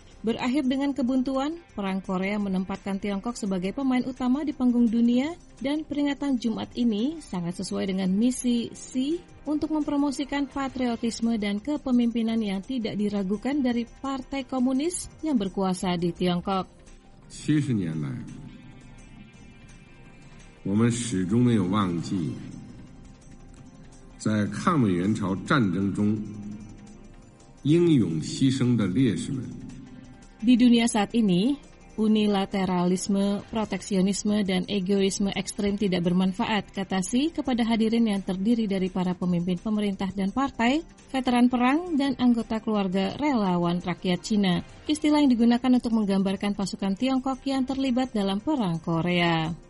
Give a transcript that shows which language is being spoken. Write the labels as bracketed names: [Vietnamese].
[Indonesian] Berakhir dengan kebuntuan, Perang Korea menempatkan Tiongkok sebagai pemain utama di panggung dunia dan peringatan Jumat ini sangat sesuai dengan misi Xi untuk mempromosikan patriotisme dan kepemimpinan yang tidak diragukan dari Partai Komunis yang berkuasa di Tiongkok. [Chinese] 70年来. 我们始终没有忘记 在抗美援朝战争中 英勇牺牲的烈士们. [Indonesian] Di dunia saat ini, unilateralisme, proteksionisme, dan egoisme ekstrim tidak bermanfaat, kata Xi kepada hadirin yang terdiri dari para pemimpin pemerintah dan partai, veteran perang, dan anggota keluarga relawan rakyat Cina. Istilah yang digunakan untuk menggambarkan pasukan Tiongkok yang terlibat dalam Perang Korea.